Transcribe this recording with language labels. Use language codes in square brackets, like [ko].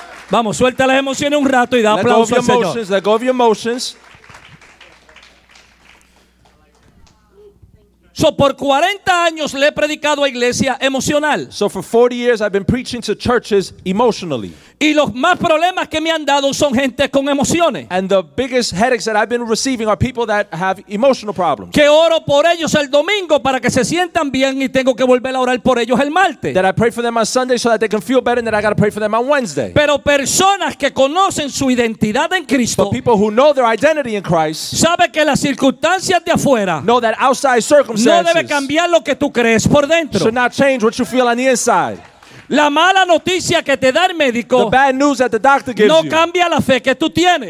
[es] Vamos, suelta las emociones un rato y da aplauso al Señor. [en] Let go of your emotions. [es] So por 40 años le he predicado a iglesia emocional. [en] So for 40 years I've been preaching to churches emotionally. [es] Y los más problemas que me han dado son gente con emociones. [en] And the biggest headaches that I've been receiving are people that have emotional problems. [es] Que oro por ellos el domingo para que se sientan bien y tengo que volver a orar por ellos el martes. [en] That I pray for them on Sunday so that they can feel better and that I got to pray for them on Wednesday. [es] Pero personas que conocen su identidad en Cristo. [en] But people who know their identity in Christ. [es] Sabe que las circunstancias de afuera. [en] Know that outside circumstances. [es] No debe cambiar lo que tú crees por dentro. [en] Should not change what you feel on the inside. [es] La mala noticia que te da el médico no cambia la fe que tú tienes.